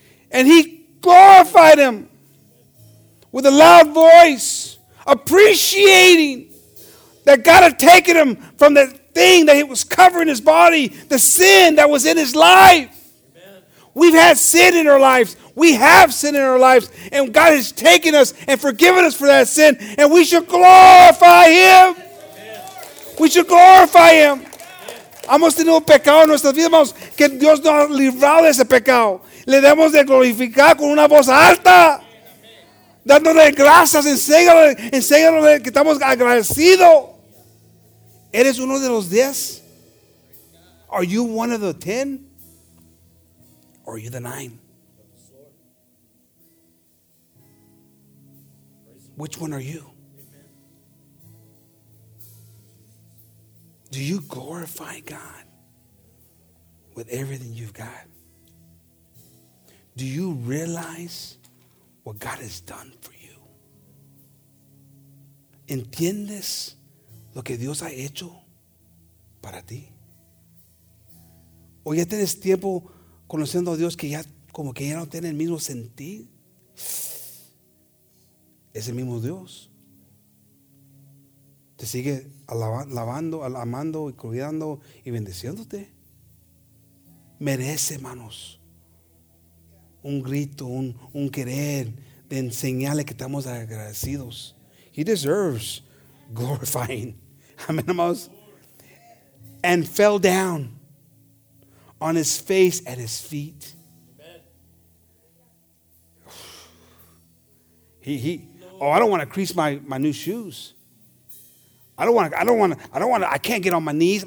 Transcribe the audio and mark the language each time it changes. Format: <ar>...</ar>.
<en>And he glorified him with a loud voice, appreciating that God had taken him from the thing that he was covering his body, the sin that was in his life. Amen. We've had sin in our lives. We have sin in our lives, and God has taken us and forgiven us for that sin, and we should glorify him. Amen. We should glorify him.</en> <es>Hemos tenido pecado en nuestras vidas, hermanos, que Dios nos ha librado de ese pecado. Le debemos de glorificar con una voz alta. dándole gracias, enséñale que estamos agradecidos. ¿Eres uno de los 10?</es> <en>Are you one of the 10? Or are you the 9? Which one are you? Do you glorify God with everything you've got? Do you realize what God has done for you?</en> <es>¿Entiendes lo que Dios ha hecho para ti? ¿O ya tienes tiempo conociendo a Dios que ya como que ya no tiene el mismo sentir? Es el mismo Dios. Te sigue alabando, amando y cuidando y bendeciéndote. Merece, hermanos, un grito, un querer de enseñarle que estamos agradecidos.</es> <en>He deserves glorifying. Amén, hermanos. And fell down on his face at his feet. Oh, I don't want to crease my new shoes. I can't get on my knees.</en>